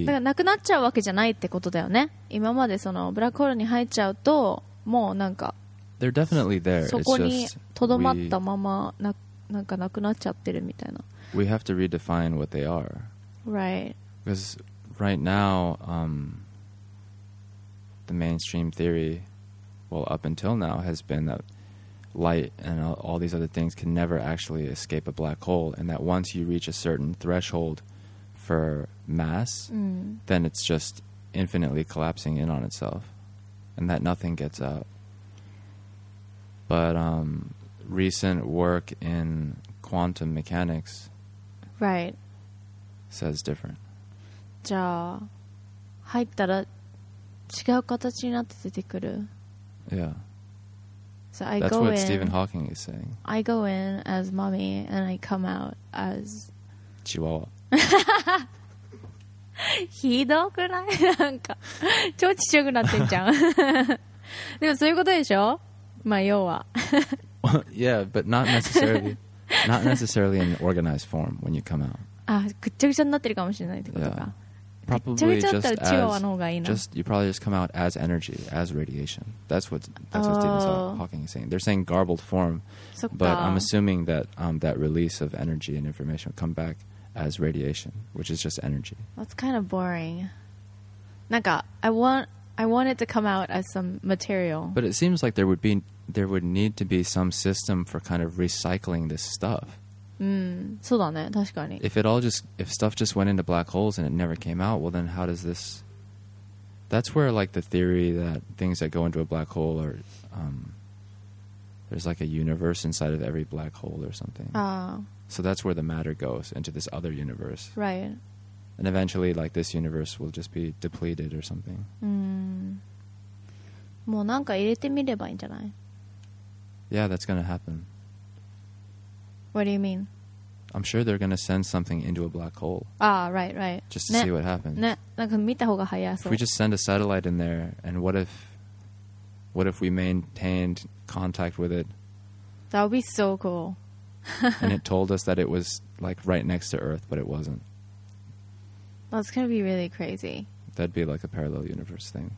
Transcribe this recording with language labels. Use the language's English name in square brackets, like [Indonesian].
[Japanese] だからなくなっちゃうわけじゃないってことだよね。今までそのブラックホールに入っちゃうと、もうなんか、 [English] They're definitely there. [Japanese] そこにとどまったままなんかなくなっちゃってるみたいな。 [English] We have to redefine what they are. Right. Because right now, the mainstream theory, well, up until now, has been that... light and all these other things can never actually escape a black hole and that once you reach a certain threshold for mass then it's just infinitely collapsing in on itself and that nothing gets out but recent work in quantum mechanics right says different [Japanese] じゃあ入ったら違う形になって出てくる [English] yeah So I That's go what in, Stephen Hawking is saying. I go in as mommy and I come out as Chihuahua. [Japanese] ひどくない？なんか超ちっちゃくなってんじゃん。でもそういうことでしょ？まあ要は。 [English] Yeah, but not necessarily in organized form when you come out. [Japanese] あ、ぐっちゃぐちゃになってるかもしれないってことか。 [English] Probably just as just you probably just come out as energy, as radiation. That's what Stephen Hawking is saying. They're saying garbled form, but I'm assuming that that release of energy and information will come back as radiation, which is just energy. That's kind of boring. Naka, I want it to come out as some material. But it seems like there would need to be some system for kind of recycling this stuff. [Japanese] そうだね、確かに。 [English] If stuff just went into black holes and it never came out, well then how does this... That's where like the theory that things that go into a black hole are... there's like a universe inside of every black hole or something. So that's where the matter goes, into this other universe. Right. And eventually like this universe will just be depleted or something. [Japanese] もうなんか入れてみればいいんじゃない? [English] Yeah, that's gonna happen. What do you mean? I'm sure they're going to send something into a black hole. Ah, right, right. Just to see what happens. [Japanese] なんか見た方が早そう。 [English] If we just send a satellite in there, and what if we maintained contact with it? That would be so cool. And it told us that it was like right next to Earth, but it wasn't. That's going to be really crazy. That'd be like a parallel universe thing.